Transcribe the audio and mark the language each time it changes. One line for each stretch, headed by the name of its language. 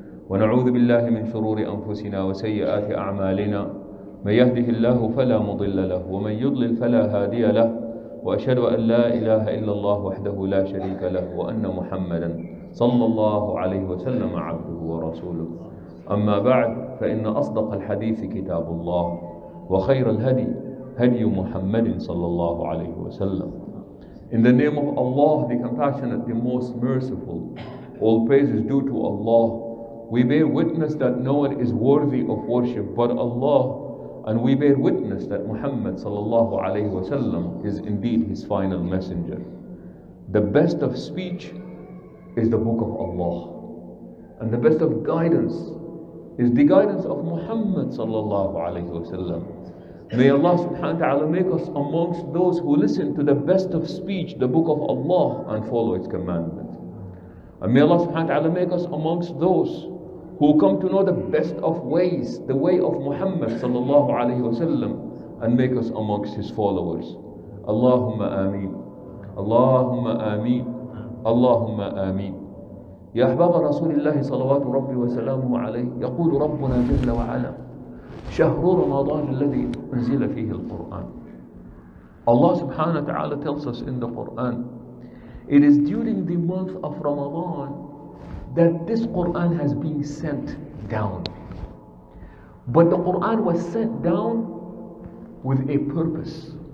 Arabic: ونعوذ بالله من شرور أنفسنا وسيئات أعمالنا من يهده الله فلا مضل له ومن يضلل فلا هادي له وأشهد أن لا إله إلا الله وحده لا شريك له وأن محمدا صلى الله عليه وسلم عبده ورسوله أما بعد فإن أصدق الحديث كتاب الله وخير الهدي هدي محمد صلى الله عليه وسلم
English: In the name of Allah, the compassionate, the most merciful, all praise is due to Allah. We bear witness that no one is worthy of worship but Allah, and we bear witness that Muhammad sallallahu alayhi wa sallam is indeed his final messenger. The best of speech is the book of Allah, and the best of guidance is the guidance of Muhammad sallallahu alayhi wa sallam. May Allah subhanahu wa ta'ala make us amongst those who listen to the best of speech, the book of Allah, and follow its commandments. And may Allah subhanahu wa ta'ala make us amongst those who come to know the best of ways, the way of Muhammad sallallahu alayhi wa sallam, and make us amongst his followers.
Arabic: Allahumma ameen. Allahumma ameen. Allahumma ameen. Ya ahbaba Rasulillahi salawatu rabbi wa salamu alayhi, yaqulu rabbuna jalla wa ala. شهر رمضان الذي أنزل فيه القرآن.
English: Allah subhanahu wa ta'ala tells us in the Quran, it is during the month of Ramadan that this Quran has been sent down. But the Quran was sent down with a purpose.